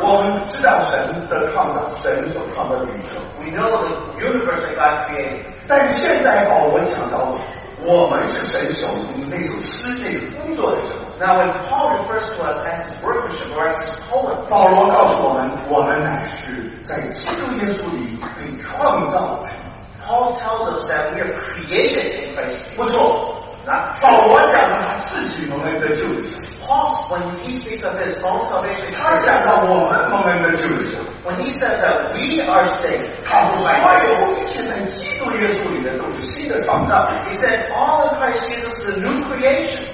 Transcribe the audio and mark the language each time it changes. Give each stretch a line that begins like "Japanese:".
Chinese: 我们知道神的创造，神所创造的宇宙。
English: We know the universe that God created.
Chinese: 但是现在保罗讲到我们是神手中那首诗、那个工作的时候。
English: Now when Paul refers to us as his workmanship or as his poem,
Chinese: 保罗告诉我们，我们乃是在基督耶稣里被创造的。
English: Paul tells us that we are created in Christ.
Chinese: 不错，那保罗讲的他自己蒙恩的救赎。
English: Paul, when he speaks of his own salvation,
Chinese: 他讲到我们蒙恩的救赎。
English: When he says that we are saved,
Chinese: 他说所有一切在基督耶稣里的都是新的创造。
English: He said all in Christ Jesus is a new creation.